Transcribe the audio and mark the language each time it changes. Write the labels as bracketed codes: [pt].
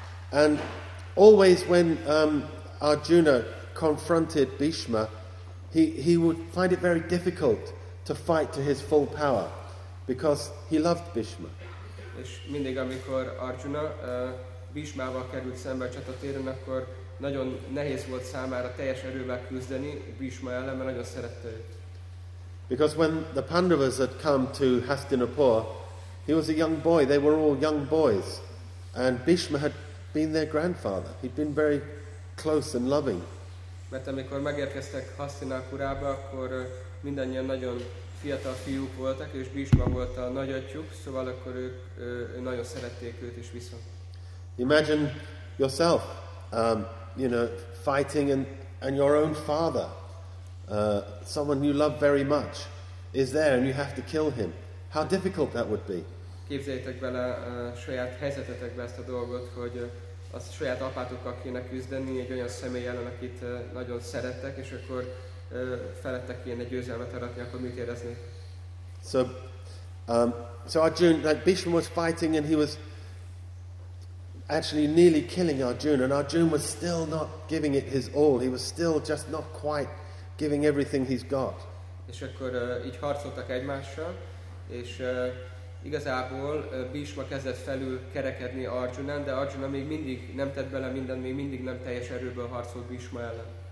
[en] And always when Arjuna confronted Bhishma, he would find it very difficult to fight to his full power because he loved Bhishma. [hu] És mindig amikor Arjuna Bhishmával került szembe a csatatéren, akkor nagyon nehéz volt számára teljes erővel küzdeni Bhishma ellen, mert nagyon szerette őt. [en] Because when the Pandavas had come to Hastinapur, he was a young boy, they were all young boys, and Bhishma had been their grandfather. He'd been very close and loving. [hu] Mert amikor megérkeztek Hastinapurába, akkor mindannyian nagyon fiatal fiúk voltak, és Bhishma volt a nagyatyuk, szóval akkor ők nagyon szerették őt is viszont. [en] Imagine yourself, you know, fighting and your own father, someone you love very much, is there and you have to kill him. How difficult that would be. [hu] Képzeljétek bele a saját helyzetetekbe ezt a dolgot, hogy a saját apátokkal kéne küzdeni egy olyan személy ellen, akit nagyon szerettek, és akkor felettek kéne győzelmet aratni, akkor mit érezni? [en] So Arjuna, like Bhishma was fighting and he was actually nearly killing Arjuna, and Arjuna was still not giving it his all. He was still just not quite giving everything he's got. [hu] És akkor így harcoltak egymással, és igazából Bhishma kezdett felül kerekedni Arjunán, de Arjuna még mindig nem tett bele mindent, még mindig nem teljes erőből harcolt Bhishma ellen.